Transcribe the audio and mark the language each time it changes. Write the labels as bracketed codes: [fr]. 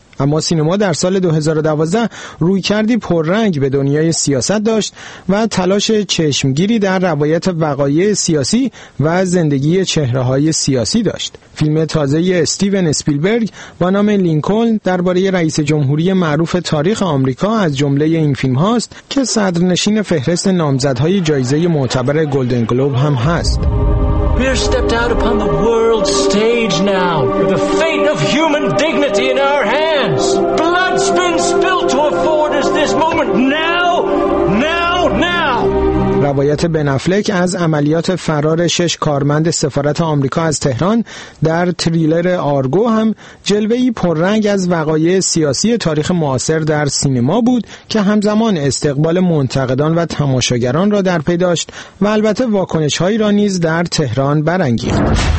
[fa] اما سینما در سال 2012 رویکردی پررنگ به دنیای سیاست داشت و تلاش چشمگیری در روایت وقایع سیاسی و زندگی چهره‌های سیاسی داشت. فیلم تازه استیون اسپیلبرگ با نام لینکلن درباره رئیس جمهوری معروف تاریخ آمریکا از جمله این فیلم هاست که صدرنشین فهرست نامزدهای جایزه معتبر گلدن گلوب هم هست. [en] We're stepped out upon the world stage now, with the fate of human dignity in our hands. Blood's been spilled to afford us this moment now. [fa] روایت بن افلک از عملیات فرار 6 کارمند سفارت آمریکا از تهران در تریلر آرگو هم جلوه‌ای پررنگ از وقایع سیاسی تاریخ معاصر در سینما بود که همزمان استقبال منتقدان و تماشاگران را در پی داشت و البته واکنش‌هایی را نیز در تهران برانگیخت.